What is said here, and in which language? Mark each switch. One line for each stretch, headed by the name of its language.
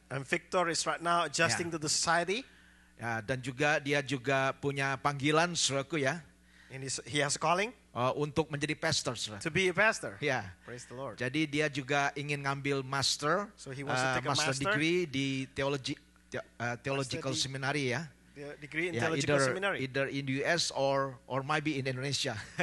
English: And Victor is right now adjusting to the society.
Indonesian: Ya, dan juga dia juga punya panggilan seraku ya.
English: And he has a calling
Indonesian: untuk menjadi pastor.
English: To be a pastor. Yeah. Praise the Lord.
Indonesian: Jadi dia juga ingin ngambil master.
English: So he wants to take master a master
Indonesian: degree di theological seminary ya.
English: Degree in theological seminary. Either in US or maybe in Indonesia.